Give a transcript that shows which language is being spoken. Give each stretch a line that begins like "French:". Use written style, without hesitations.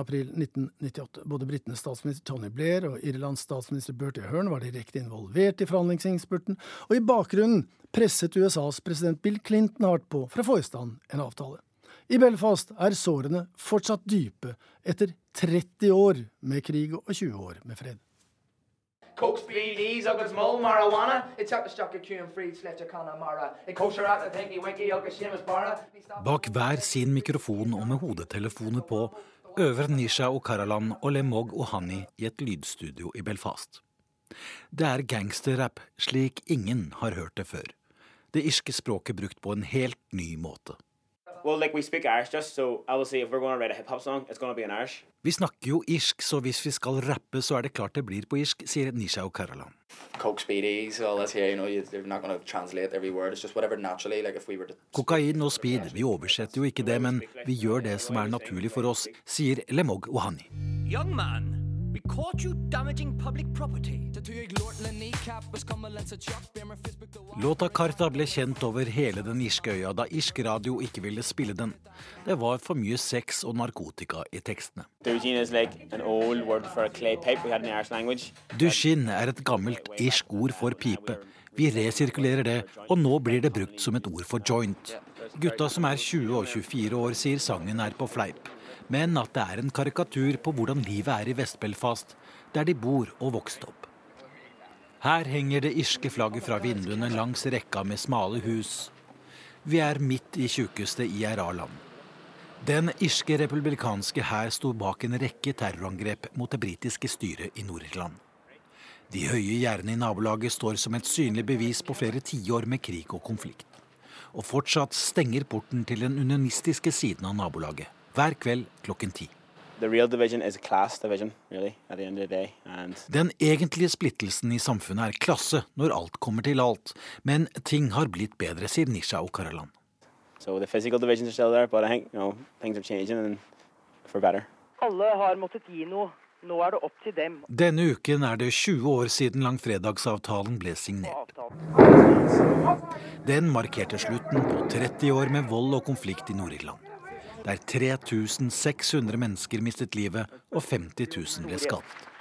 Norwegian: april 1998. Både britenes statsminister Tony Blair og Irlands statsminister Bertie Ahern var direkte involvert i forhandlingsinnspurten, og i bakgrunnen presset USAs president Bill Clinton hardt på for å få i stand en avtale. I Belfast er sårene fortsatt dype etter 30 år med krig og 20 år med fred. Coke's BDs, I've got small marijuana. It's up to stock your queue and free sledge of Conor Mara. It coaches her out, I think, you winky, you'll get Seamus Barra. Bak hver sin mikrofon og med hodetelefoner på, øver Nisha O'Carolan og Lemog Ohani i et lydstudio i Belfast. Det er gangsterrap slik ingen har hørt det før. Det irske språket brukt på en helt ny måte.
English: Well, like we speak Irish just, so obviously if we're going to write a hip-hop song, it's going to be in Irish.
Norwegian: Vi snakker jo irsk, så hvis vi skal rappe, så er det klart det blir på irsk, sier Nisha O'Carolan.
English: Coke speedies, all this here, you know, you're not going to translate every word, it's just whatever naturally, like if we were to...
Norwegian: Kokain og speed, vi oversetter jo ikke det, men vi gjør det som er naturlig for oss, sier Lemog Ohani.
English: Young man, we caught you damaging public property.
Norwegian: Låta Karta ble kjent over hele den irske øya da irsk radio ikke ville spille den. Det var for mye sex og narkotika i tekstene. Dushin is like an old word for a clay pipe we had in the Irish language. Dushin er et gammelt irsk ord for pipe. Vi resirkulerer det, og nå blir det brukt som et ord for joint. Gutta som er 20 og 24 år sier sangen er på fleip. Men at det er en karikatur på hvordan livet er i Vest-Belfast, der de bor og vokste opp. Her henger det irske flagget fra vinduene langs rekka med smale hus. Vi er midt i tjukkeste IRA-land. Den irske republikanske hær sto bak en rekke terrorangrep mot det britiske styret i Nord-Irland. De høye gjerdene i nabolaget står som et synlig bevis på flere tiår med krig og konflikt. Og fortsatt stenger porten til den unionistiske siden av nabolaget, hver kveld klokken 10.
English: The real division is class division, really, at the end of the day. And...
Norwegian: Den egentlige splittelsen i samfunnet er klasse når alt kommer til alt, men ting har blitt bedre, sier Nisha O'Carolan.
English: So the physical divisions are still there, but I think, you know, things are changing and for better.
Norwegian: Alle har måttet gi noe. Nå er det opp til dem. Denne uken er det 20 år siden langfredagsavtalen ble signert. Den markerte slutten på 30 år med vold og konflikt i Nord-Irland. der 3600 mennesker mistet livet og 50.000 ble skadet.